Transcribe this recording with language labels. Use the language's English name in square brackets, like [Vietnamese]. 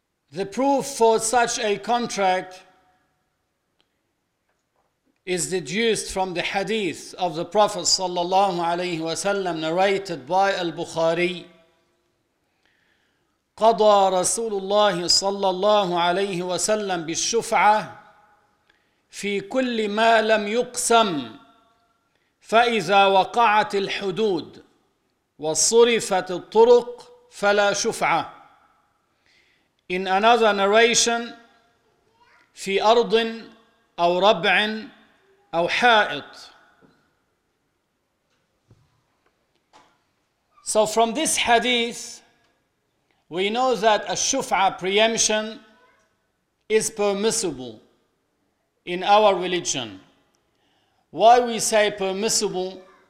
[English] The proof for such a contract is deduced from the hadith of the Prophet sallallahu alaihi wasallam, narrated by Al-Bukhari, [Arabic] قضى رسول الله صلى الله عليه وسلم بالشفعة في كل ما لم يقسم، فإذا وقعت الحدود وصرفت الطرق فلا شفعة. [English] In another narration, [Arabic] في أرض أو ربع أو حائط. [English] So from this hadith, we know that a shuf'a preemption is permissible in our religion. Why we say permissible?